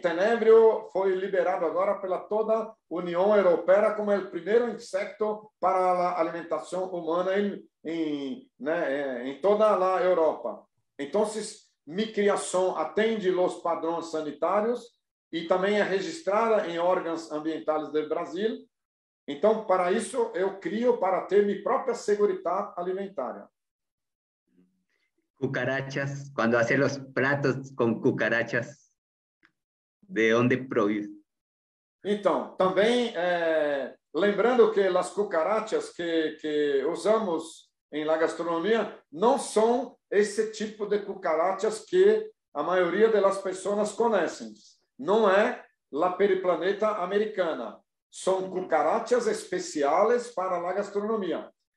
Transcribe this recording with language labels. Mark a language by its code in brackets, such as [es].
[pt] Tenebrio foi liberado agora pela toda a União Europeia como o primeiro inseto para a alimentação humana em toda a Europa. Então, minha criação atende aos padrões sanitários e também é registrada em órgãos ambientais do Brasil. Então, para isso, eu crio para ter minha própria segurança alimentar. [es] Cucarachas, cuando hace los platos con cucarachas, ¿de dónde proviene? [pt] Então, também Lembrando que as cucarachas que usamos em la gastronomia não são esse tipo de cucarachas que a maioria das pessoas conhecem. Não é [es] la periplaneta americana. [pt] São cucarachas especiais para la gastronomia.